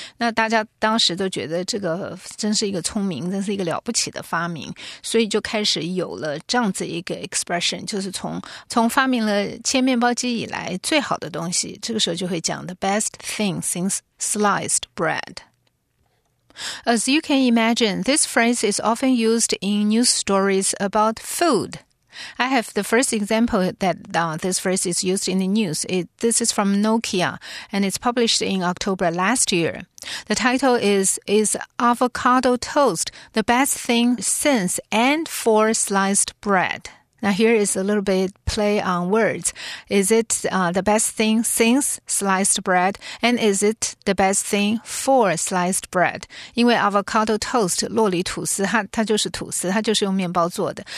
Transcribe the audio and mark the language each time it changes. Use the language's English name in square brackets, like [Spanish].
[Chinese] 那大家当时都觉得这个真是一个聪明，真是一个了不起的发明，所以就开始有了这样子一个 expression， 就是从发明了切面包机以来最好的东西，这个时候就会讲 the best thing since sliced bread。 [English] As you can imagine, this phrase is often used in news stories about food. I have the first example that this phrase is used in the news. This is from Nokia, and it's published in October last year. The title is Avocado Toast the best thing since and for sliced bread? Now here is a little bit play on words. Is it the best thing since sliced bread? And is it the best thing for sliced bread? [Chinese] 因为 avocado toast, 洛梨吐司 它就是吐司，它就是用面包做的。